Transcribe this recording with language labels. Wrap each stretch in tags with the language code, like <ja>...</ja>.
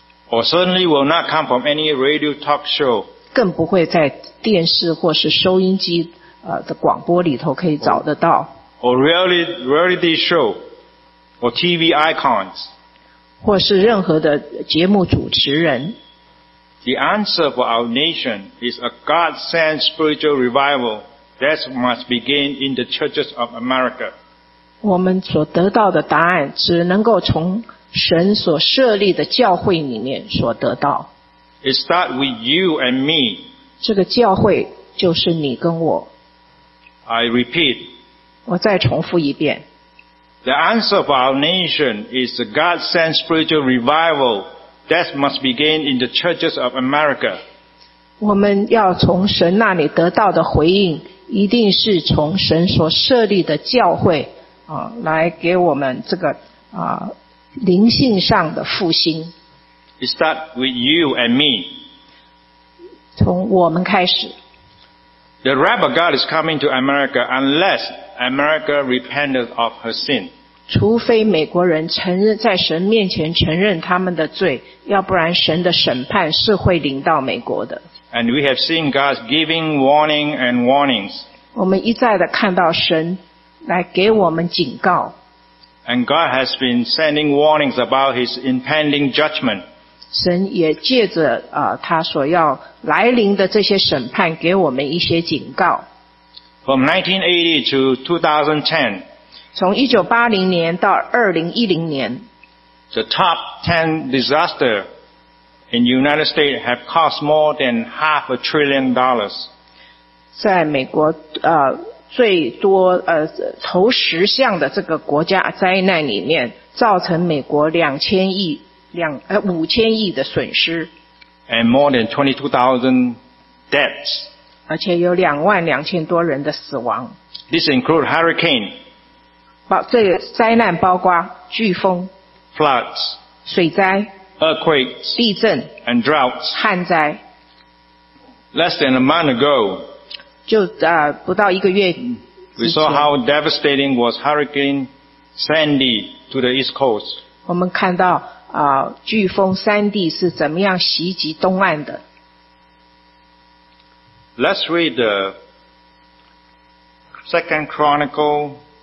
<en>Or certainly will not come from any radio talk show.</en> <zh>更不会在电视或是收音机的广播里头可以找得到。</zh> <en>Or reality show. Or TV icons.</en> <zh>或是任何的节目主持人。</zh> <en>The answer for our nation is a God-sent spiritual revival that must begin in the churches of America.</en> <zh>我们所得到的答案只能够从神所设立的教会里面所得到。</zh> <en>It starts with you and me.</en> <zh>这个教会就是你跟我。</zh> <en>I repeat.</en> <zh>我再重复一遍。</zh> <en>The answer for our nation is a God-sent spiritual revival. That must begin in the churches of America.</en> <zh>我们要从神那里得到的回应，一定是从神所设立的教会来给我们这个灵性上的复兴。</zh> <en>It starts with you and me.</en> <zh>从我们开始。</zh> <en>The wrath of God is coming to America unless America repents of her sin.</en> <zh>除非美国人承认在神面前承认他们的罪，要不然神的审判是会临到美国的。</zh> <en>And we have seen God giving warning and warnings.</en> <zh>我们一再的看到神来给我们警告。</zh> <en>And God has been sending warnings about His impending judgment.</en> <zh>神也借着他所要来临的这些审判给我们一些警告。</zh> <en>From 1980 to 2010.</en> <zh>从1980年到2010年</zh> <en>The top 10 disasters in the United States have cost more than half a trillion dollars.</en> <zh>在美国最多头十项的这个国家灾难里面造成美国5000亿的损失</zh> <en>And more than 22,000 deaths.</en> <zh>而且有22,000多人的死亡</zh> <en>This includes hurricane.</en> <zh>这个灾难包括飓风</zh> <en>floods,</en> <zh>水灾</zh> <en>earthquakes,</en> <zh>地震</zh> <en>and droughts,</en> <zh>旱灾</zh> <en>less than a month ago,</en> <zh>就不到一个月</zh> <en>we saw how devastating was Hurricane Sandy to the East Coast.</en> <zh>我们看到飓风山地是怎么样袭击东岸的</zh> <en>Let's read the Second Chronicle.</en>